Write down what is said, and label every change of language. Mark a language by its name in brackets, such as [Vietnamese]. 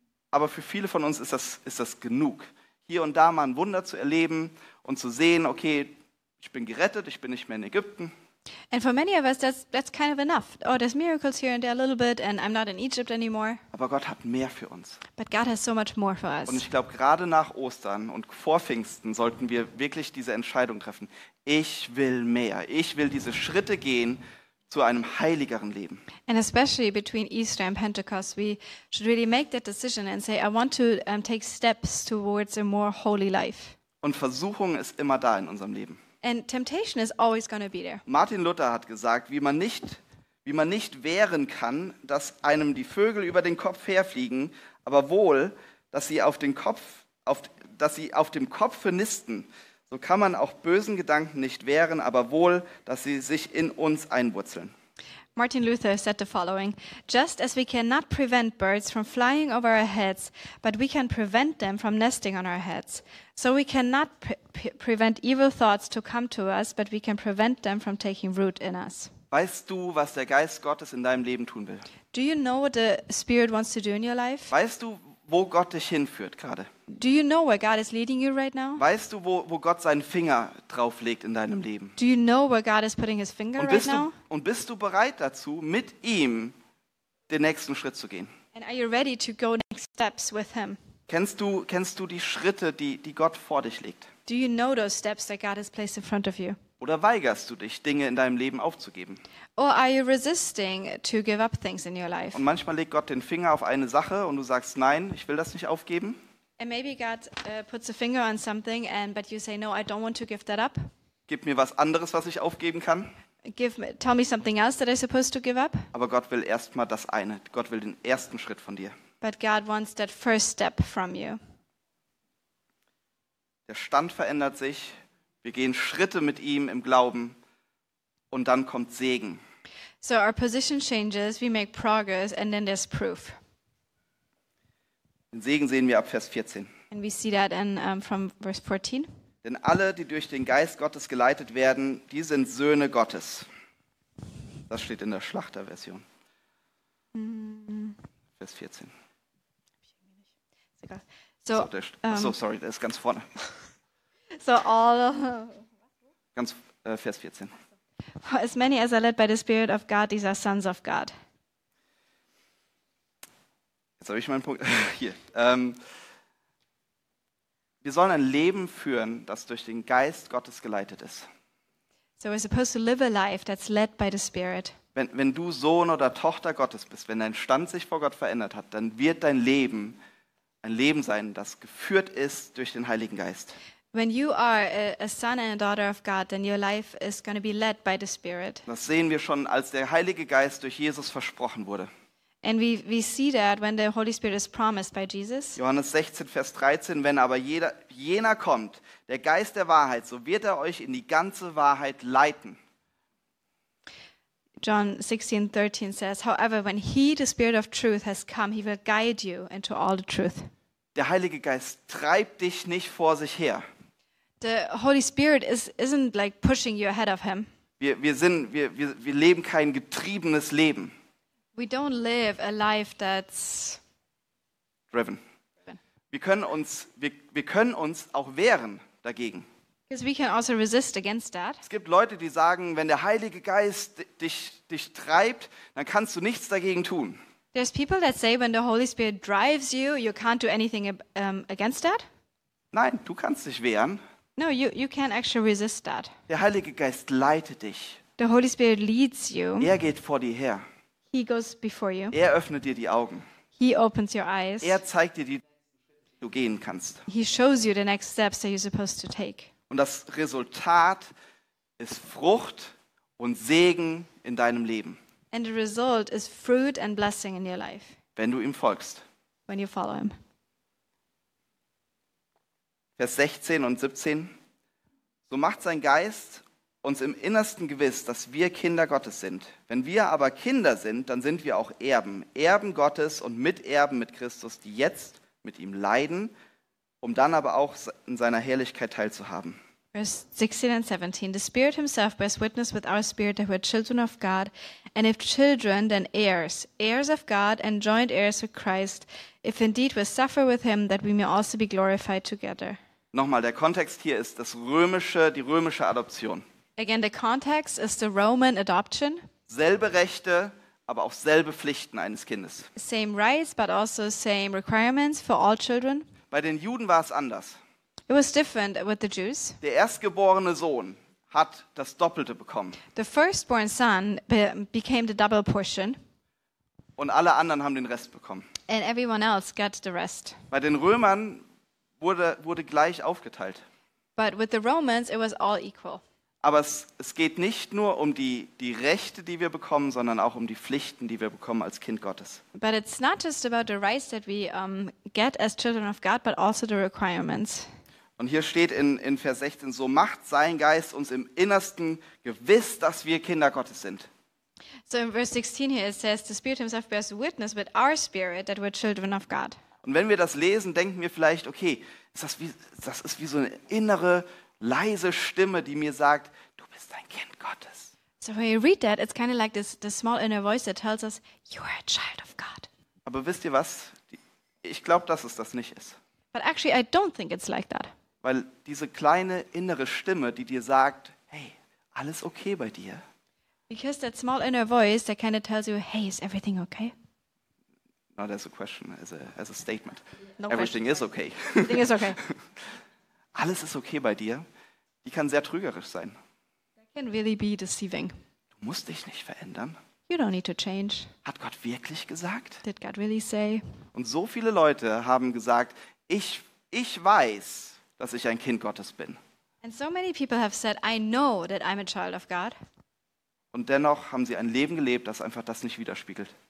[German] Aber für viele von uns ist das genug. Hier und da mal ein Wunder zu erleben und zu sehen, okay, ich bin gerettet, ich bin nicht mehr in Ägypten. [English] And for many of us that's kind of enough. Oh, there's miracles here and there a little bit and I'm not in Egypt anymore. [German] Aber Gott hat mehr für uns. [English] But God has so much more for us. [German] Und ich glaube, gerade nach Ostern und vor Pfingsten sollten wir wirklich diese Entscheidung treffen. Ich will mehr. Ich will diese Schritte gehen zu einem heiligeren Leben. [English] And especially between Easter and Pentecost, we should really make that decision and say I want to take steps towards a more holy life. [German] Und Versuchung ist immer da in unserem Leben. [English] And temptation is always going to be there. [German] Martin Luther hat gesagt, wie man nicht wehren kann, dass einem die Vögel über den Kopf herfliegen, aber wohl, dass sie auf dem Kopf nisten, so kann man auch bösen Gedanken nicht wehren, aber wohl, dass sie sich in uns einwurzeln. [English] Martin Luther said the following: just as we cannot prevent birds from flying over our heads, but we can prevent them from nesting on our heads, so we cannot prevent evil thoughts to come to us, but we can prevent them from taking root in us. [German] Weißt du, was der Geist Gottes in deinem Leben tun will? [English] Do you know what the Spirit wants to do in your life? [German] Weißt du, wo Gott dich hinführt gerade? [English] Do you know where God is leading you right now? [German] Weißt du, wo Gott seinen Finger drauf legt in deinem Leben? [English] Do you know where God is putting his finger right now? [German] Und bist du bereit dazu, mit ihm den nächsten Schritt zu gehen? [English] And are you ready to go next steps with him? [German] Kennst du die Schritte, die Gott vor dich legt? [English] Do you know those steps that God has placed in front of you? [German] Oder weigerst du dich, Dinge in deinem Leben aufzugeben? [English] Or are you resisting to give up things in your life? [German] Und manchmal legt Gott den Finger auf eine Sache und du sagst, nein, ich will das nicht aufgeben. [English] And maybe God puts a finger on something but you say, no, I don't want to give that up. [German] Gib mir was anderes, was ich aufgeben kann. [English] Tell me something else that I'm supposed to give up. [German] Aber Gott will erstmal das eine. Gott will den ersten Schritt von dir. [English] But God wants that first step from you. [German] Der Stand verändert sich. Wir gehen Schritte mit ihm im Glauben und dann kommt Segen. [English] So our position changes, we make progress and then there's proof. [German] Den Segen sehen wir ab Vers 14. [English] And we see that in, from verse 14. [German] Denn alle, die durch den Geist Gottes geleitet werden, die sind Söhne Gottes. Das steht in der Schlachter-Version. Vers 14. [English] Sorry, [German] der ist ganz vorne. [English] So all [German] ganz Vers 14. [English] As many as are led by the Spirit of God, these are sons of God. [German] Jetzt habe ich meinen Punkt hier. Wir sollen ein Leben führen, das durch den Geist Gottes geleitet ist. [English] So we're supposed to live a life that's led by the Spirit. [German] Wenn du Sohn oder Tochter Gottes bist, wenn dein Stand sich vor Gott verändert hat, dann wird dein Leben ein Leben sein, das geführt ist durch den Heiligen Geist. [English] When you are a son and a daughter of God, then your life is going to be led by the Spirit. [German] Das sehen wir schon, als der Heilige Geist durch Jesus versprochen wurde. [English] And we see that when the Holy Spirit is promised by Jesus. [German] Johannes 16, Vers 13, wenn aber jener kommt, der Geist der Wahrheit, so wird er euch in die ganze Wahrheit leiten. [English] John 16, 13 says, however, when he, the Spirit of truth, has come, he will guide you into all the truth. [German] Der Heilige Geist treibt dich nicht vor sich her. [English] The Holy Spirit isn't like pushing you ahead of him. [German] Wir leben kein getriebenes Leben. [English] We don't live a life that's driven. [German] Wir können uns auch wehren dagegen. [English] Because we can also resist against that. [German] Es gibt Leute, die sagen, wenn der Heilige Geist dich treibt, dann kannst du nichts dagegen tun. [English] There's people that say when the Holy Spirit drives you, you can't do anything against that? [German] Nein, du kannst dich wehren. [English] No, you can't actually resist that. [German] Der Heilige Geist leitet dich. [English] The Holy Spirit leads you. [German] Er geht vor dir her. [English] He goes before you. [German] Er öffnet dir die Augen. [English] He opens your eyes. [German] Er zeigt dir die Schritte, du gehen kannst. [English] He shows you the next steps that you're supposed to take. [German] Und das Resultat ist Frucht und Segen in deinem Leben. [English] And the result is fruit and blessing in your life. [German] Wenn du ihm folgst. [English] When you follow him. [German] Vers 16 und 17. So macht sein Geist uns im Innersten gewiss, dass wir Kinder Gottes sind. Wenn wir aber Kinder sind, dann sind wir auch Erben. Erben Gottes und Miterben mit Christus, die jetzt mit ihm leiden, um dann aber auch in seiner Herrlichkeit teilzuhaben. [English] Verse 16 and 17. The Spirit himself bears witness with our spirit that we are children of God, and if children, then heirs, heirs of God and joint heirs with Christ, if indeed we suffer with him, that we may also be glorified together. [German] Nochmal, der Kontext hier ist die römische Adoption. [English] Again, the context is the Roman adoption. [German] Selbe Rechte, aber auch selbe Pflichten eines Kindes. [English] Same rights, but also same requirements for all children. [German] Bei den Juden war es anders. [English] It was different with the Jews. [German] Der erstgeborene Sohn hat das Doppelte bekommen. [English] The firstborn son became the double portion. [German] Und alle anderen haben den Rest bekommen. [English] And everyone else got the rest. [German] Bei den Römern wurde gleich aufgeteilt. [English] But with the Romans it was all equal. [German] Aber es geht nicht nur um die Rechte, die wir bekommen, sondern auch um die Pflichten, die wir bekommen als Kind Gottes. [English] But it's not just about the rights that we get as children of God, but also the requirements. [German] Und hier steht in Vers 16, so macht sein Geist uns im Innersten gewiss, dass wir Kinder Gottes sind. [English] So in verse 16 here it says, the Spirit himself bears witness with our spirit that we're children of God. [German] Und wenn wir das lesen, denken wir vielleicht, okay, das ist wie so eine innere, leise Stimme, die mir sagt, du bist ein Kind Gottes. [English] So when you read that, it's kind of like this small inner voice that tells us, you are a child of God. [German] Aber wisst ihr was? Ich glaube, dass es das nicht ist. [English] But actually, I don't think it's like that. [German] Weil diese kleine innere Stimme, die dir sagt, hey, alles okay bei dir? [English] Because that small inner voice that kind of tells you, hey, is everything okay? Not as a question, as a statement. No everything question. Is okay. Everything is okay. [German] Alles ist okay bei dir. Die kann sehr trügerisch sein. [English] That can really be deceiving. [German] Du musst dich nicht verändern. [English] You don't need to change. [German] Hat Gott wirklich gesagt? [English] Did God really say? [German] Und so viele Leute haben gesagt, ich weiß, dass ich ein Kind Gottes bin. [English] And so many people have said, I know that I'm a child of God. [German] Und dennoch haben sie ein Leben gelebt, das einfach das nicht widerspiegelt.